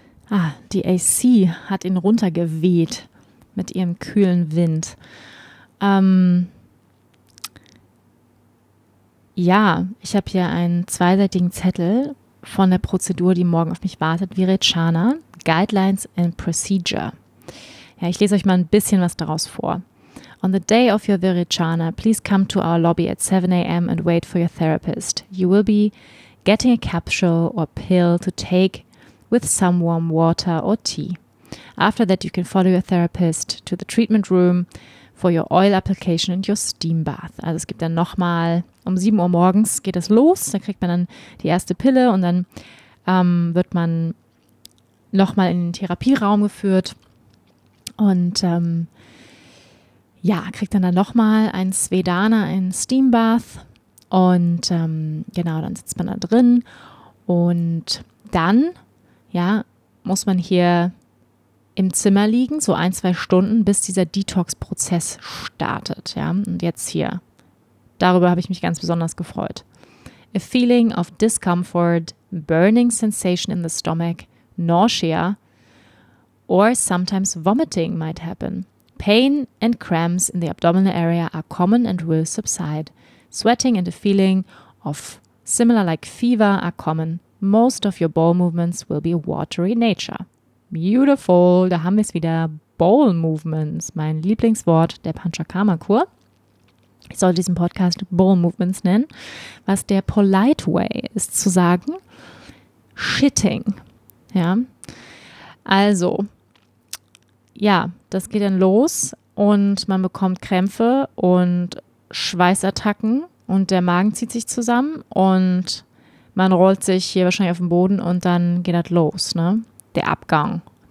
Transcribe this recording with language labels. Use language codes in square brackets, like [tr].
[de] Ah, die AC hat ihn runtergeweht mit ihrem kühlen Wind. Ich habe hier einen zweiseitigen Zettel von der Prozedur, die morgen auf mich wartet, Virechana, [en] Guidelines and Procedure. [de] Ja, ich lese euch mal ein bisschen was daraus vor. [en] On the day of your Virechana, please come to our lobby at 7 a.m. and wait for your therapist. You will be getting a capsule or pill to take with some warm water or tea. After that, you can follow your therapist to the treatment room for your oil application and your steam bath. [de] Also es gibt dann nochmal um 7 Uhr morgens geht es los. Da kriegt man dann die erste Pille und dann wird man nochmal in den Therapieraum geführt und kriegt dann nochmal ein Svedana, ein Steam Bath und dann sitzt man da drin und dann ja, muss man hier im Zimmer liegen, so 1-2 Stunden, bis dieser Detox-Prozess startet. Ja? Und jetzt hier, darüber habe ich mich ganz besonders gefreut. [en] A feeling of discomfort, burning sensation in the stomach, nausea or sometimes vomiting might happen. Pain and cramps in the abdominal area are common and will subside. Sweating and a feeling of similar like fever are common. Most of your bowel movements will be watery nature. [de] Beautiful, da haben wir es wieder. Bowel movements, mein Lieblingswort der Panchakarma-Kur. Ich soll diesen Podcast Bowel movements nennen. Was der polite way ist zu sagen, shitting. Ja. Also, ja, das geht dann los und man bekommt Krämpfe und Schweißattacken und der Magen zieht sich zusammen und man rollt sich hier wahrscheinlich auf den Boden und dann geht das los, ne? Der Abgang.